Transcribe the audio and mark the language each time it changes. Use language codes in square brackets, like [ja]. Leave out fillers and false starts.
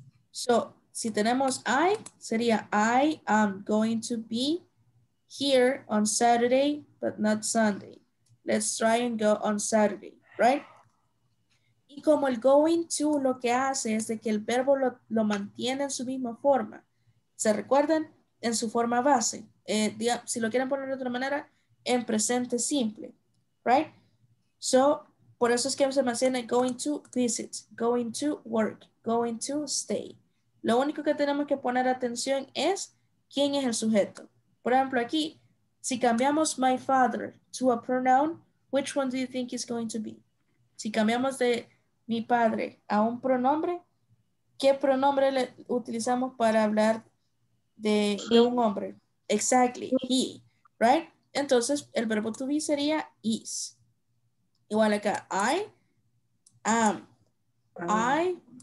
[en] So, [es] si tenemos [en] I, [es] sería [en] I am going to be here on Saturday, but not Sunday. Let's try and go on Saturday, right? [es] Y como el going to lo que hace es de que el verbo lo mantiene en su misma forma. ¿Se recuerdan? En su forma base. Si lo quieren poner de otra manera, en presente simple, right? [en] So, [es] por eso es que se menciona [en] going to visit, going to work, going to stay. [es] Lo único que tenemos que poner atención es quién es el sujeto. Por ejemplo, aquí, si cambiamos [en] my father to a pronoun, which one do you think is going to be? [es] Si cambiamos de mi padre a un pronombre, ¿qué pronombre le utilizamos para hablar de un hombre? [en] Exactly, he, right? [es] Entonces, el verbo [en] to be [es] sería [en] is. [es] Igual acá, [en] I am. I